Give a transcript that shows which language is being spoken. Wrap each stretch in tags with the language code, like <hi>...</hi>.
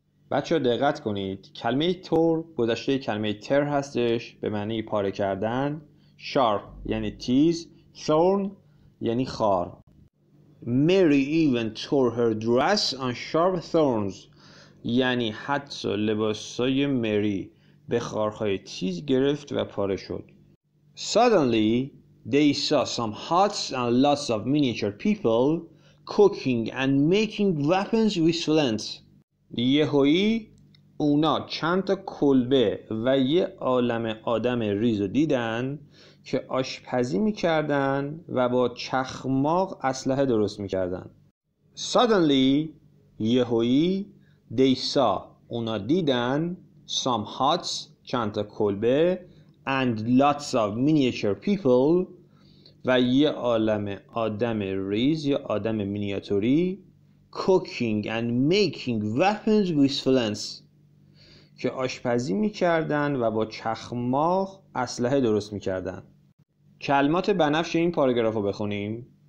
<fa>بچه‌ها دقت کنید، کلمه تور گذشته کلمه تر هستش، به معنی پاره کردن. شارپ یعنی تیز، ثورن یعنی خار.</fa> <en>Mary even tore her dress on sharp thorns،</en> <fa>یعنی حتی لباسای مری به خارهای تیز گرفت و پاره شد.</fa> <en>Suddenly they saw some huts and lots of miniature people cooking and making weapons with flints.</en> <fa>یهویی اونا چند تا کلبه و یه عالم آدم ریزو دیدن که آشپزی میکردن و با چخماق اسلحه درست میکردن.</fa> <en>Suddenly</en> <fa>یهویی</fa> <en>they saw،</en> <fa>اونا دیدن،</fa> <en>some huts،</en> <fa>چند تا کلبه،</fa> <en>and lots of miniature people،</en> <fa>و یه عالم آدم ریز یا آدم مینیاتوری،</fa> <en>cooking and making weapons with flints،</en> <fa>که آشپزی میکردن و با چخماق اسلحه درست میکردن. کلمات بنفش این پاراگراف رو بخونیم.</fa>